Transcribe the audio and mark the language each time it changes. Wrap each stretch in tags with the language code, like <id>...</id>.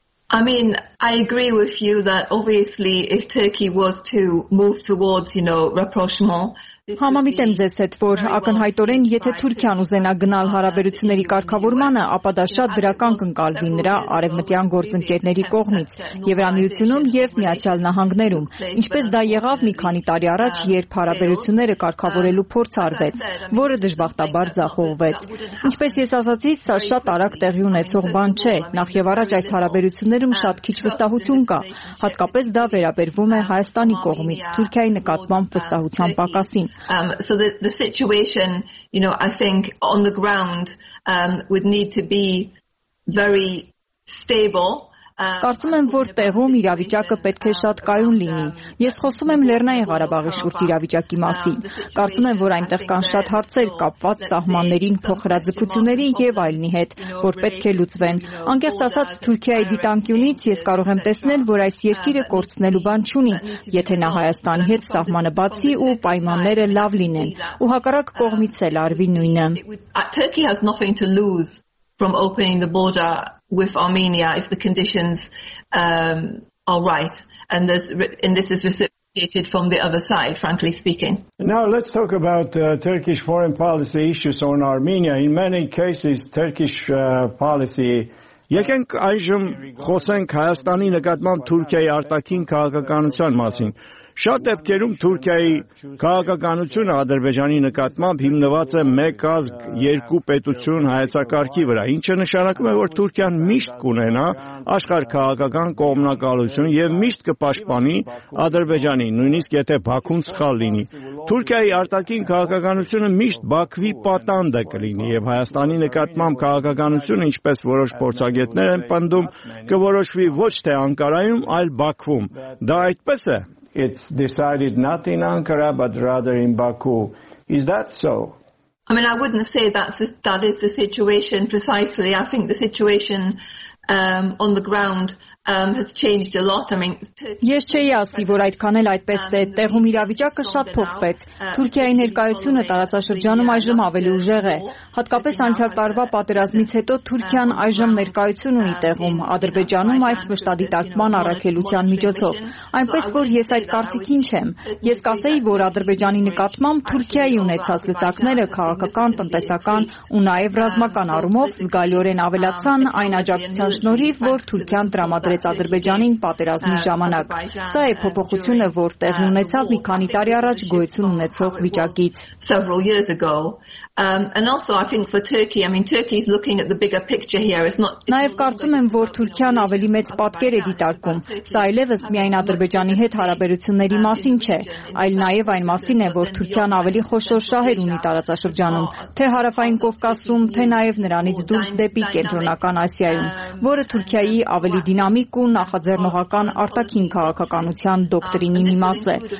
<en>I mean, I agree with you that obviously if Turkey was to move towards, you know, rapprochement,</en> <hy>Համամիտ եմ ձեզ հետ, որ ակնհայտորեն, եթե Թուրքիան ուզենա գնալ հարաբերությունների կարգավորմանը, ապա դա շատ դրական կընկալվի նրա արևմտյան գործընկերների կողմից, Եվրամիությունում և Միացյալ Նահանգներում, ինչպես դա եղավ մի քանի տարի առաջ, երբ հարաբերությունները կարգավորելու փորձ արվեց, որը դժբախտաբար ձախողվեց։ Ինչպես ես ասացի, սա շատ արագ տեղի ունեցող բան չէ, նախ և առաջ այս հարաբերություններում շատ քիչ վստահություն կա, հատկապես դա վերաբերվում է Հայաստանի կողմից Թուրքիայի նկատմամբ վստահության պակաս։</hy> <en>So the situation, you know, I think on the ground would need to be very stable.</en> <hy>Կարծում եմ, որ տեղում իրավիճակը պետք է շատ կայուն լինի։ Ես խոսում եմ Լեռնային Ղարաբաղի շուրջ իրավիճակի մասին։ Կարծում եմ, որ այնտեղ կան շատ հարցեր կապված սահմաններին, փոխհրաձգությունների եւ այլնի հետ, որ պետք է լուծվեն։ Անկեղծ ասած, Թուրքիայի դիտանկյունից ես կարող եմ տեսնել, որ այս երկիրը կորցնելու բան չունի, եթե նա Հայաստանի հետ սահմանը բացի ու պայմանները լավ լինեն, ու հակառակ կողմից էլ արվի նույնը։</hy> <en>Turkey has nothing to lose from opening the border with Armenia if the conditions are right, and this is reciprocated from the other side, frankly speaking. Now let's talk about Turkish foreign policy issues on Armenia. In many cases, Turkish policy</en> <hy>Եկենք այժմ խոսենք Հայաստանի նկատմամբ Թուրքիայի արտաքին քաղաքականության մասին։ Շատ դեպքերում Թուրքիայի քաղաքականությունը Ադրբեջանի նկատմամբ հիմնված է մեկ ազգ, երկու պետություն հայեցակարգի վրա, ինչը նշանակում է, որ Թուրքիան միշտ կունենա աշխարհ քաղաքական կողմնակալություն և միշտ կպաշտպանի Ադրբեջանի, նույնիսկ եթե Բաքուն սխալ լինի։ Թուրքիայի արտաքին քաղաքականությունը միշտ Բաքվի պատանդը կլինի, և Հայաստանի նկատմամբ քաղաքականությունը, ինչպես որոշ փորձագետներ են պնդում, կորոշվի ոչ թե Անկարայում, այլ Բաքվում։ Դա այդպես է։</hy> <en>It's decided not in Ankara, but rather in Baku. Is that so? I mean, I wouldn't say that is the situation precisely. I think the situation on the ground has changed a lot. I mean,</en> <hy>Ես չէի ասի, որ այդքան էլ այդպես է, տեղում իրավիճակը շատ փոխվեց։ Թուրքիայի ներկայությունը տարածաշրջանում այժմ ավելի ուժեղ է։ Հատկապես անցյալ տարվա պատերազմից հետո Թուրքիան այժմ ներկայություն ունի տեղում Ադրբեջանում այս վշտադիտակման առաքելության միջոցով։ Այնպես որ ես այդ կարծիքին չեմ։ Ես կասեի, որ Ադրբեջանի նկատմամբ Թուրքիայի ունեցած լծակները քաղաքական, տնտեսական ու նաև ռազմական առումով զգալիորեն ավելացան այն աջակցության շնորհիվ, որ Թուրքիան տրամադրեց Ադրբեջանին պատերազմի ժամանակ։ Սա է փոփոխությունը, որ տեղ ունեցավ մի քանի տարի առաջ գոյություն ունեցող վիճակից։</hy> <en>And also I think for Turkey, I mean Turkey's looking at the bigger picture here.</en> <hy>Նաև կարծում եմ, որ Թուրքիան ավելի մեծ պատկեր է դիտարկում։ Սա այլևս միայն Ադրբեջանի հետ հարաբերությունների մասին չէ, այլ նաև այն մասին է, որ Թուրքիան ավելի խոշոր շահեր ունի տարածաշրջանում, թե հարավային Կովկասում, թե նաև նրանից դուրս դեպի Կենտրոնական Ասիայում, որը Թուրքիայի ավելի դինամիկ ու նախաձեռնողական արտաքին քաղաքականության դոկտրինի մի մաս է։</hy>